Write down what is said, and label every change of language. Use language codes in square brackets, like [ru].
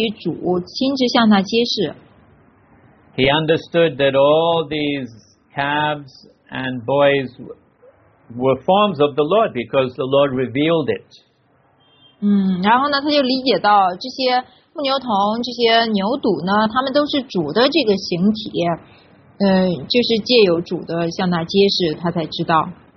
[zh] 并不是由于他自己的智慧，而是由于主亲自向他揭示。 [en] He understood that all these calves and boys were forms of the Lord because the Lord revealed it. [zh] 然后呢，他就理解到这些牧牛童、这些牛犊呢，他们都是主的这个形体，就是借由主的向他揭示，他才知道。